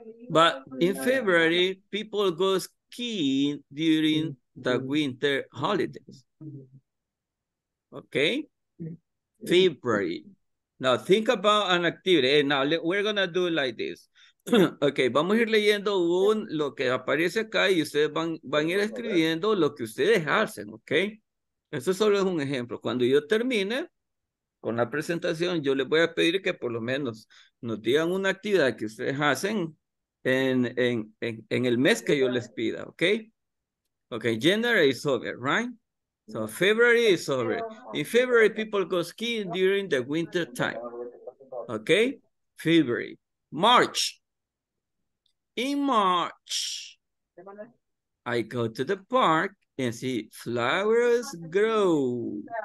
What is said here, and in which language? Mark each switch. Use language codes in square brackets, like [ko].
[en] But in February, people go skiing during the winter holidays. Okay? February. Now, think about an activity. Hey, now, we're going to do it like this. [es] Okay, vamos a ir leyendo lo que aparece acá y ustedes van a ir escribiendo lo que ustedes hacen, ¿ok? Eso solo es un ejemplo. Cuando yo termine con la presentación, yo les voy a pedir que por lo menos nos digan una actividad que ustedes hacen en el mes que yo les pida, ¿ok? [en] Ok, January is over, right? So February is over. In February, people go skiing during the winter time. ¿Ok? February. March. In March, I go to the park and see flowers grow.